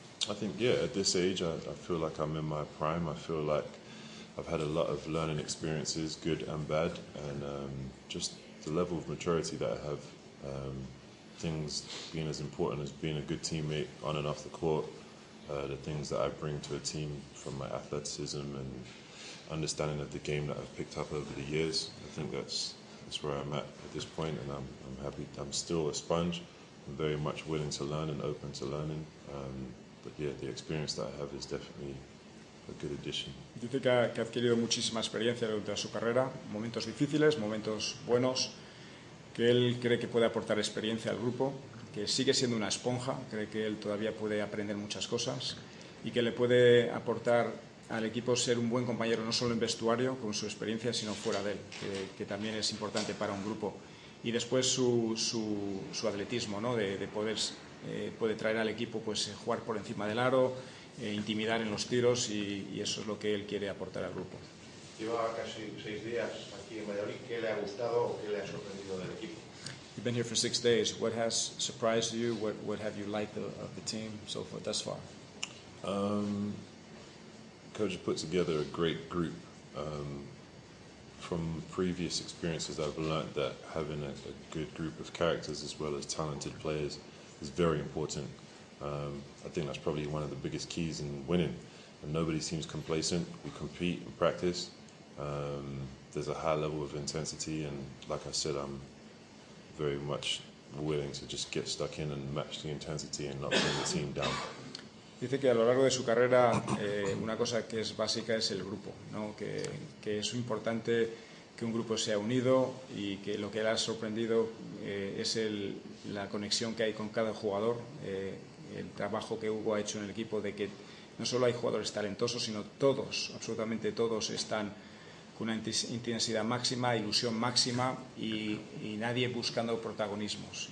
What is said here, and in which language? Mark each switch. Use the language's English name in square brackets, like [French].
[English] I think at this age I feel like I'm in my prime. I feel like I've had a lot of learning experiences, good and bad, and just the level of maturity that I have, things being as important as being a good teammate on and off the court, the things that I bring to a team from my athleticism and understanding of the game that I've picked up over the years. I think that's where I'm at this point, and I'm happy. I'm still a sponge. I'm very much willing to learn and open to learning. But the experience that I have is definitely a good addition. [Spanish] Dice que ha adquirido muchísima experiencia durante su carrera, momentos difíciles, momentos buenos, que él cree que puede aportar experiencia al grupo, que sigue siendo una esponja, cree que él todavía puede aprender muchas cosas y que le puede aportar al equipo ser un buen compañero, no solo en vestuario con su experiencia, sino fuera de él, que también es importante para un grupo. Y después su atletismo, ¿no? De poder puede traer al equipo, pues jugar por encima del aro, intimidar en los tiros y eso es lo que él quiere aportar al grupo. Lleva casi 6 días aquí en Valladolid. ¿Qué le ha gustado o qué le ha sorprendido del equipo? [English] You've been here for 6 days. What has surprised you? What have you liked of the team so far, thus far? Coach put together a great group. From previous experiences, I've learned that having a good group of characters as well as talented players is very important. I think that's probably one of the biggest keys in winning. And nobody seems complacent. We compete and practice. There's a high level of intensity, and like I said, I'm very much willing to just get stuck in and match the intensity and not bring the team down. [Spanish] Dice que a lo largo de su carrera una cosa que es básica es el grupo, ¿no? Que es importante que un grupo sea unido y que lo que le ha sorprendido es la conexión que hay con cada jugador. El trabajo que Hugo ha hecho en el equipo de que no solo hay jugadores talentosos, sino todos, absolutamente todos, están con una intensidad máxima, ilusión máxima y nadie buscando protagonismos.